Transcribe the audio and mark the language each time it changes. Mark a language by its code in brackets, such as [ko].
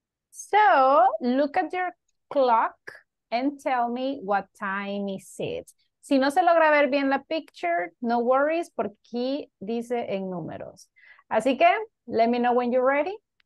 [en] So, look at your clock and tell me what time is it. [es] Si no se logra ver bien la picture, no worries, porque aquí dice en números. [en] Así que, let me know when you're ready.